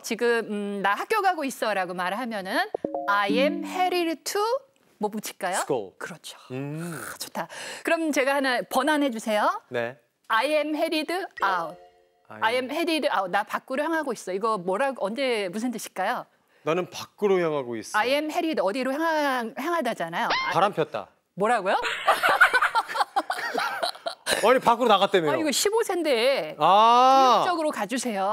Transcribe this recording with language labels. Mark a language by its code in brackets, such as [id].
[ko] 지금 나 학교 가고 있어 라고 말을 하면은 [en] I am headed to [ko] 뭐 붙일까요? [en] School. [ko] 그렇죠. 아, 좋다. 그럼 제가 하나 번안해 주세요. 네. [en] I am headed out. I am headed out. [ko] 나 밖으로 향하고 있어. 이거 뭐라고 언제 무슨 뜻일까요? 나는 밖으로 향하고 있어. [en] I am headed [ko] 어디로 향하다잖아요. 바람 폈다. 뭐라고요? 아니 밖으로 나갔다며요. 아 이거 15세인데 아~ 적으로 가주세요.